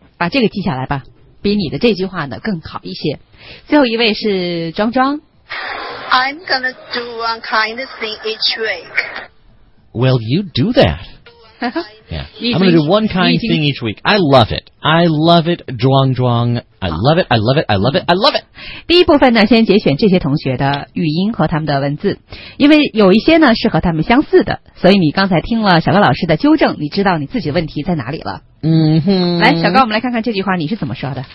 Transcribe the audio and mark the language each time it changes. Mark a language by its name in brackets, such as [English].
[Chinese] 把这个记下来吧，比你的这句话呢更好一些。最后一位是庄庄。 [English] I'm gonna do one kind thing each week. Well, you do that. Yeah, I'm gonna do one kind thing each week. I love it. I love it, 庄庄。I love it, I love it, I love it, I love it. [Chinese] 第一部分呢，先节选这些同学的语音和他们的文字，因为有一些呢是和他们相似的，所以你刚才听了小高老师的纠正，你知道你自己问题在哪里了。嗯哼。来，小高，我们来看看这句话你是怎么说的。